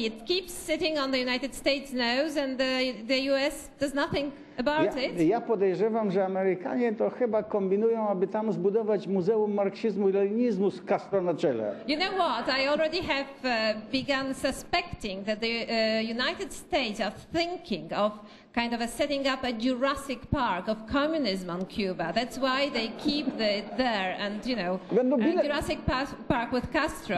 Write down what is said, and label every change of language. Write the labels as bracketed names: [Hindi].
[English] It keeps sitting on the United States nose, and the U.S. does nothing. [Polish] Ja podejrzewam, że Amerykanie to chyba kombinują, aby tam zbudować Muzeum Marksizmu i Leninizmu z Castro na czele. [English] You know what? I already have begun suspecting that the United States are thinking of kind of a setting up a Jurassic Park of communism on Cuba. That's why they keep it there and, you know, Jurassic Park with Castro.